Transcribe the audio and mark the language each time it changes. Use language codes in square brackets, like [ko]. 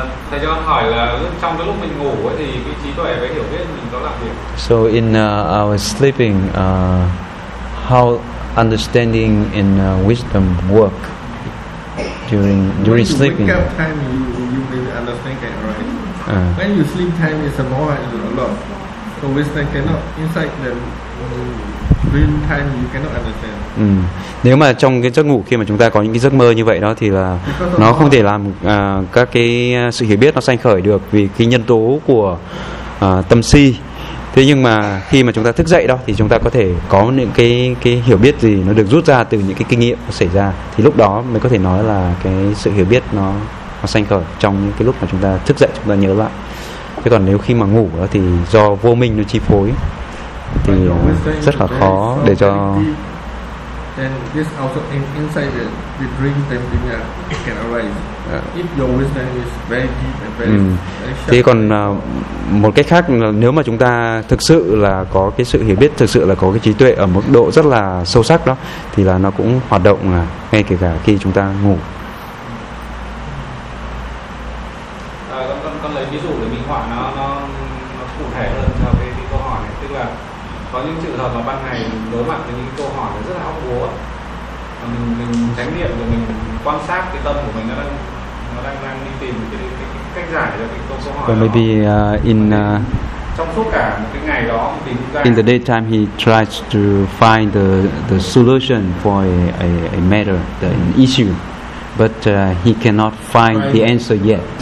[vi] Thầy cho hỏi là trong cái lúc mình ngủ thì cái trí tuệ với hiểu biết mình có làm việc. [en] So in our sleeping, how understanding and wisdom work? During when sleeping. When you wake up time, you may understand it, right? When you sleep time, it's more and a lot. So wisdom cannot, inside the dream time, you cannot understand. [vi] Nếu mà trong cái giấc ngủ khi mà chúng ta có những cái giấc mơ như vậy đó thì là nó không thể làm các cái sự hiểu biết nó sanh khởi được vì cái nhân tố của tâm si. Thế nhưng mà khi mà chúng ta thức dậy đó thì chúng ta có thể có những cái hiểu biết gì nó được rút ra từ những cái kinh nghiệm xảy ra. Thì lúc đó mới có thể nói là cái sự hiểu biết nó sanh khởi trong những cái lúc mà chúng ta thức dậy, chúng ta nhớ lại. Thế còn nếu khi mà ngủ đó thì do vô minh nó chi phối thì rất là khó để cho. [en] And this also inside the dream tempting it can arise. If your wisdom is very deep and very sharp. [vi] Thì còn một cách khác là nếu mà chúng ta thực sự là có cái sự hiểu biết, thực sự là có cái trí tuệ ở mức độ rất là sâu sắc đó, thì là nó cũng hoạt động là ngay kể cả khi chúng ta ngủ. Con lấy ví dụ để minh họa nó cụ thể hơn cho cái câu hỏi này, tức là có những trường hợp mà ban ngày mình đối mặt với những câu hỏi nó rất là hóc búa, mình chánh niệm rồi mình quan sát cái tâm của mình nó đang đi tìm cái cách giải cho cái câu hỏi. [en] Well, maybe [vi] trong suốt cả một cái ngày đó mình tìm ra. [en] In the daytime he tries to find the solution for a matter, an issue, but he cannot find the answer yet.